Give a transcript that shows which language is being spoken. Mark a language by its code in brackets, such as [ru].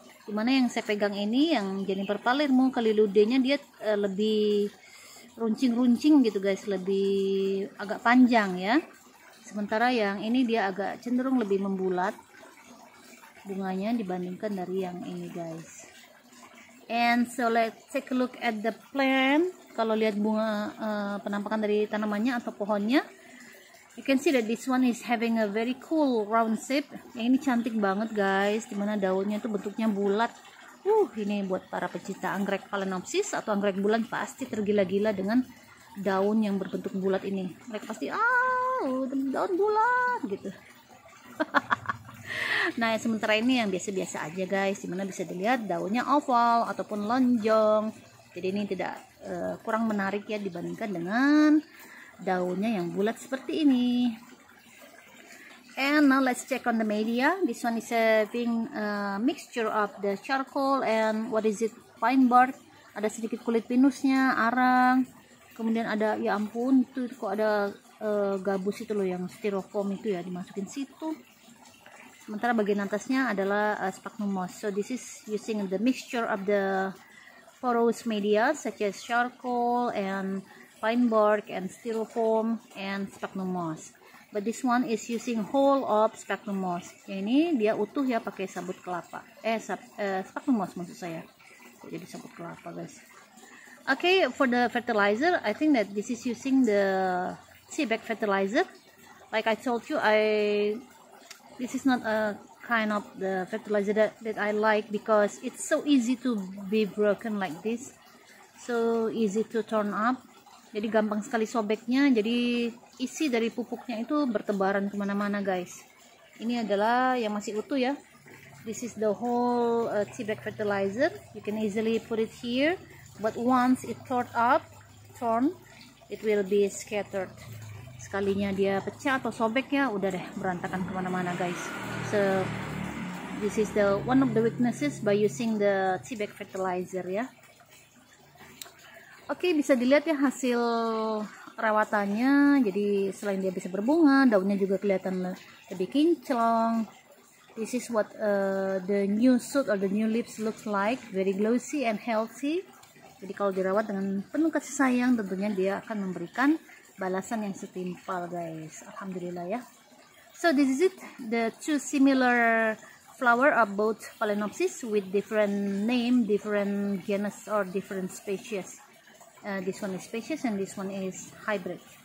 [id] Dimana yang saya pegang ini, yang Jennifer Palermo, kaliludenya dia lebih runcing-runcing gitu guys, lebih agak panjang ya. Sementara yang ini dia agak cenderung lebih membulat bunganya dibandingkan dari yang ini guys. [en] And so let's take a look at the plant. [id] Kalau lihat bunga penampakan dari tanamannya atau pohonnya, [en] you can see that this one is having a very cool round shape. [id] Yang ini cantik banget guys, dimana daunnya tuh bentuknya bulat. Ini buat para pecinta anggrek Phalaenopsis atau anggrek bulan pasti tergila-gila dengan daun yang berbentuk bulat ini. Mereka pasti daun bulat gitu. Nah sementara ini yang biasa-biasa aja guys, dimana bisa dilihat daunnya oval ataupun lonjong. Jadi ini tidak kurang menarik ya dibandingkan dengan daunnya yang bulat seperti ini. [en] And now let's check on the media. This one is having a mixture of the charcoal and what is it, pine bark. [id] Ada sedikit kulit pinusnya, arang. Kemudian ada, ya ampun, itu kok ada gabus itu loh yang styrofoam itu ya, dimasukin situ. Sementara bagian atasnya adalah sphagnum moss. [en] So this is using the mixture of the porous media such as charcoal and pine bark and styrofoam and sphagnum moss. But this one is using whole of sphagnum moss. [id] Ini dia utuh ya, pakai sabut kelapa. Sphagnum moss maksud saya. Kok jadi sabut kelapa, guys? [en] Okay, for the fertilizer, I think that this is using the Seabag fertilizer. Like I told you, this is not a kind of the fertilizer that I like, because it's so easy to be broken like this. So easy to turn up. [id] Jadi gampang sekali sobeknya. Jadi isi dari pupuknya itu bertebaran kemana-mana, guys. Ini adalah yang masih utuh ya. [en] This is the whole Seabag fertilizer. You can easily put it here, but once it torn, it will be scattered. [id] Sekalinya dia pecah atau sobek ya, udah deh berantakan kemana-mana, guys. [en] So this is the one of the weaknesses by using the Seabag fertilizer ya. [id] Okay, bisa dilihat ya hasil rawatannya. Jadi selain dia bisa berbunga, daunnya juga kelihatan lebih kinclong. [en] This is what the new shoot or the new leaves looks like, very glossy and healthy. [id] Jadi kalau dirawat dengan penuh kasih sayang, tentunya dia akan memberikan balasan yang setimpal, guys. Alhamdulillah ya. [en] So this is it, the two similar flower are both Phalaenopsis with different name, different genus or different species. This one is species and this one is hybrid.